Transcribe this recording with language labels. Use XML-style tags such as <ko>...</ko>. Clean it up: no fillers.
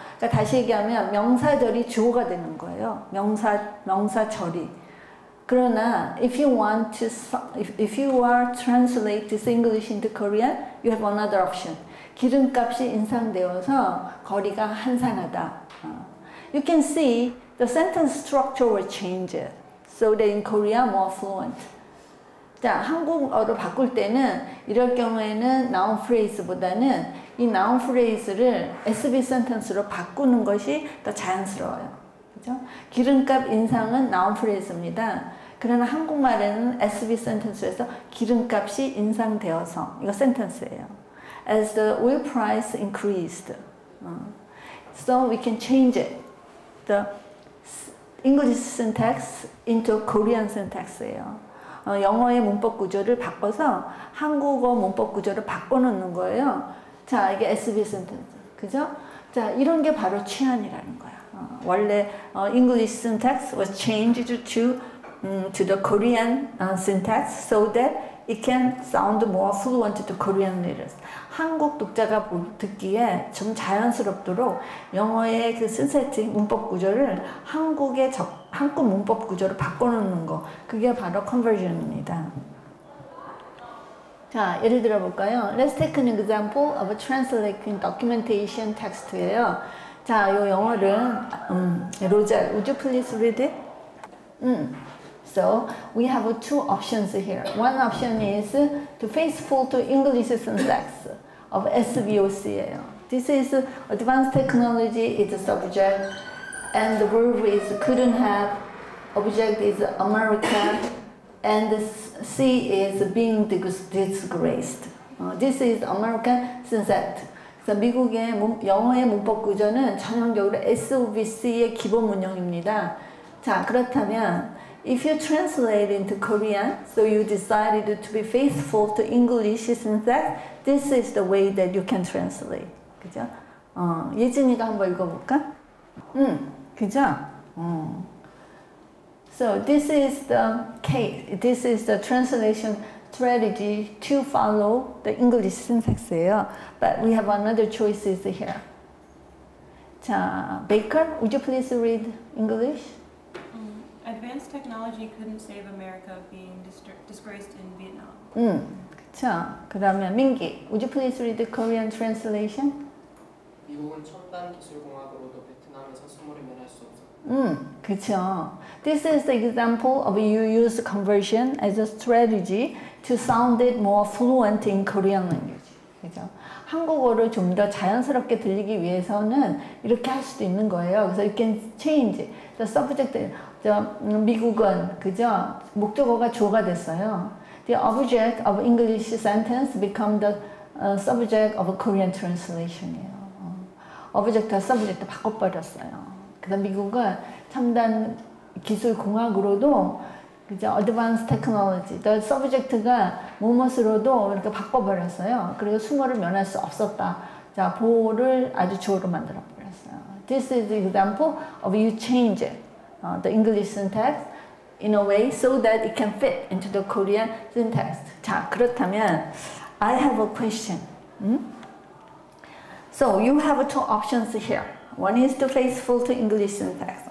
<ko>그러니까 다시 얘기하면 명사절이 주어가 되는 거예요. 명사절이. 그러나</ko> <en>if you want to if you are translate this English into Korean, you have another option.</en> <ko>기름값이 인상되어서 거리가 한산하다.</ko> <en>You can see the sentence structure will change so that in Korea more fluent.</en> <ko>자, 한국어로 바꿀 때는 이럴 경우에는 noun phrase보다는 이 noun phrase를 SV sentence로 바꾸는 것이 더 자연스러워요. 기름값 인상은 noun phrase입니다. 그러나 한국말에는 SV sentence에서 기름값이 인상되어서 이거 sentence예요.</ko> <en>As the oil price increased. So we can change it. The English syntax into Korean syntax예요.</en> <ko>영어의 문법 구조를 바꿔서 한국어 문법 구조를 바꿔놓는 거예요. 자, 이게 SV sentence. 그죠? 자, 이런 게 바로 취안이라는 거야.</ko> <en>원래 English syntax was changed to the Korean syntax so that it can sound more fluent to Korean readers.</en> <ko>한국 독자가 듣기에 좀 자연스럽도록 영어의 그 syntactic 문법 구조를 한국의 한국 문법 구조로 바꿔놓는 거, 그게 바로 conversion입니다. 자, 예를 들어볼까요?</ko> <en>Let's take an example of a translating documentation text예요.</en> <ko>자, 요 영어를</ko> <en>로자, would you please read it? So we have two options here. One option is to faithful to English syntax of SVOC예요. This is advanced technology is a subject and the verb is couldn't have, object is America, and C is being disgraced. This is American syntax.</en> <ko>그래서 미국의 영어의 문법 구조는 전형적으로 SOVC의 기본 문형입니다. 자, 그렇다면</ko> <en>if you translate into Korean, so you decided to be faithful to English syntax, this is the way that you can translate.</en> <ko>그죠? 예진이가 한번 읽어볼까? 그죠?</ko> <en>So this is the case. This is the translation strategy to follow the English syntax예요. But we have another choices here. 자, Baker, would you please read English? Advanced technology couldn't save America being disgraced in Vietnam.</en> <ko>자, 그다음에</ko> <en>민기, would you please read the Korean translation?</en> <ko>미국은 첨단 기술 공화국으로도 베트남에서 수모를 면할 수 없어. 그렇죠.</ko> <en>This is the example of you use conversion as a strategy to sound it more fluent in Korean language.</en> <ko>그렇죠. 한국어를 좀 더 자연스럽게 들리기 위해서는 이렇게 할 수도 있는 거예요. 그래서</ko> <en>you can change the subject.</en> <ko>미국은 그죠? 목적어가 주어가 됐어요.</ko> <en>The object of English sentence become the subject of a Korean translation이에요.</en> <ko>Object, subject 바꿔버렸어요. 그다음 미국은 첨단 기술 공학으로도 그죠?</ko> <en>Advanced technology. The subject가</en> <ko>무엇으로도 이렇게 바꿔버렸어요. 그리고 수모를 면할 수 없었다. 자, 보호를 아주 주어로 만들어버렸어요.</ko> <en>This is the example of you change it. The English syntax in a way so that it can fit into the Korean syntax.</en> <ko>자, 그렇다면</ko> <en>I have a question. So you have two options here. One is to faithful to English syntax.</en>